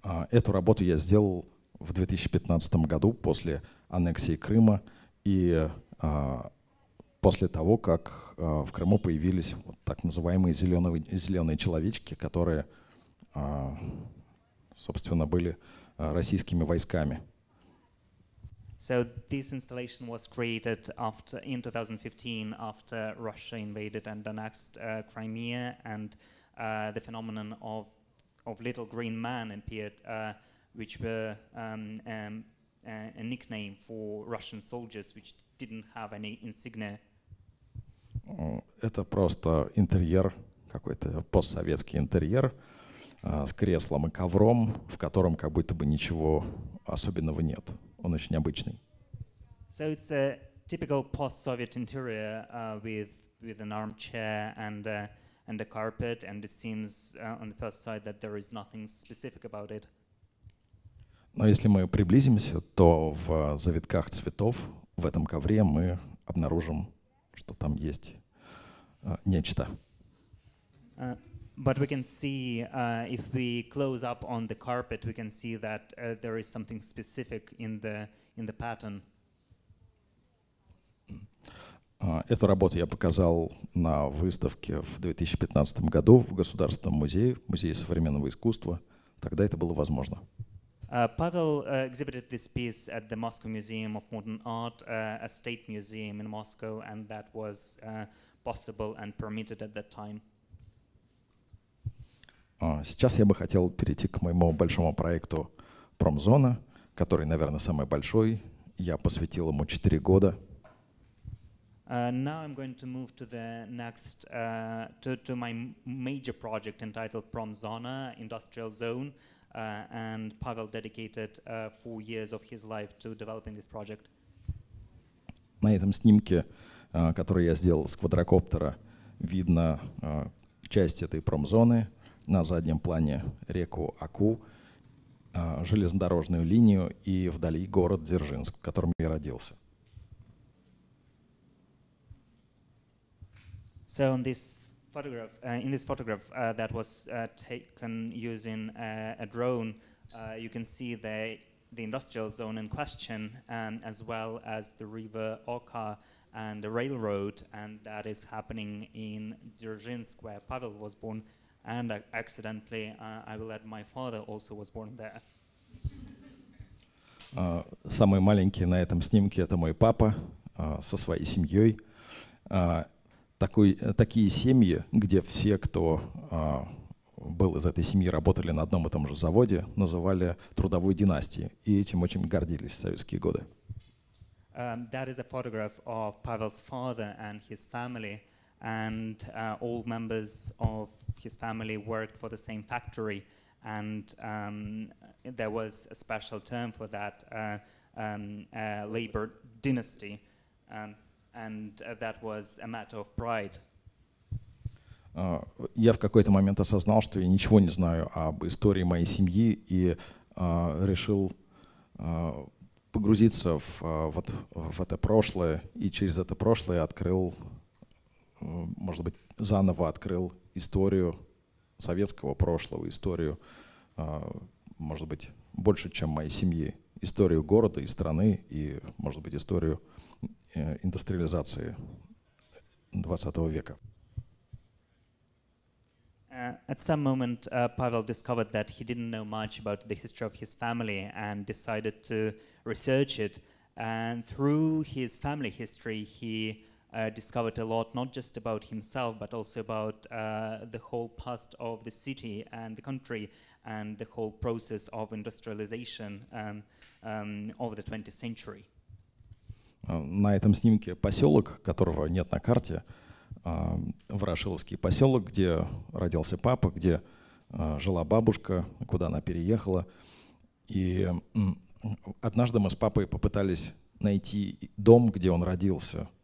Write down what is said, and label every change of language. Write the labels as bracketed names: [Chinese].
[Russian] Эту работу я сделал в 2015 году после аннексии Крыма и после того, как в Крыму появились вот так называемые зеленые человечки, которые, собственно, были российскими войсками. [English] So this installation was created after in 2015 after Russia invaded and annexed Crimea, and the phenomenon of little green man appeared, which were a nickname for Russian soldiers which didn't have any insignia. [Russian] Это просто интерьер, какой-то постсоветский интерьер с креслом и ковром, в котором как будто бы ничего особенного нет. Он очень обычный. [English] So it's a typical post-Soviet interior with an armchair and a carpet, and it seems on the first sight that there is nothing specific about it. [Russian] Но если мы приблизимся, то в завитках цветов в этом ковре мы обнаружим, что там есть нечто. [English] But we can see, if we close up on the carpet, we can see that there is something specific in the pattern. [Russian] Эту работу я показал на выставке в 2015 году в Государственном музее, в Музее современного искусства. Тогда это было возможно. [English] Pavel exhibited this piece at the Moscow Museum of Modern Art, a state museum in Moscow, and that was possible and permitted at that time. [Russian] Сейчас я бы хотел перейти к моему большому проекту «Промзона», который, наверное, самый большой. Я посвятил ему 4 года. [English] Now I'm going to move to the next, to my major project entitled «Промзона», «Industrial Zone», and Pavel dedicated 4 years of his life to developing this project. [Russian] На этом снимке, который я сделал с квадрокоптера, видно часть этой «Промзоны». На заднем плане реку Аку, железнодорожную линию и вдали город Дзержинск, в котором я родился. [English] So on this photograph, in this photograph that was taken using a drone, you can see the industrial zone in question, as well as the river Oka and the railroad, and that is happening in Dzerzhinsk, where Pavel was born. And accidentally, I will add, my father also was born there. [Russian] Самый маленький на этом снимке – это мой папа со своей семьей. Такие семьи, где все, кто был из этой семьи, работали на одном и том же заводе, называли трудовой династией. И этим очень гордились в советские годы. [English] That is a photograph of Pavel's father and his family. And all members of his family worked for the same factory, and there was a special term for that, a labor dynasty, and that was a matter of pride. [Russian] Я в какой-то момент осознал, что я ничего не знаю об истории моей семьи, и решил погрузиться в это прошлое, и через это прошлое открыл, может быть, заново открыл историю советского прошлого, историю, может быть, больше, чем моей семьи, историю города и страны, и, может быть, историю индустриализации 20 века. [English] At some moment, Pavel discovered that he didn't know much about the history of his family and decided to research it. And through his family history, he discovered a lot, not just about himself, but also about the whole past of the city and the country and the whole process of industrialization over the 20th century. [Russian] На этом снимке поселок, которого нет на карте, Ворошиловский поселок, где родился папа, где жила бабушка, куда она переехала. И однажды мы с папой попытались найти дом, где он родился.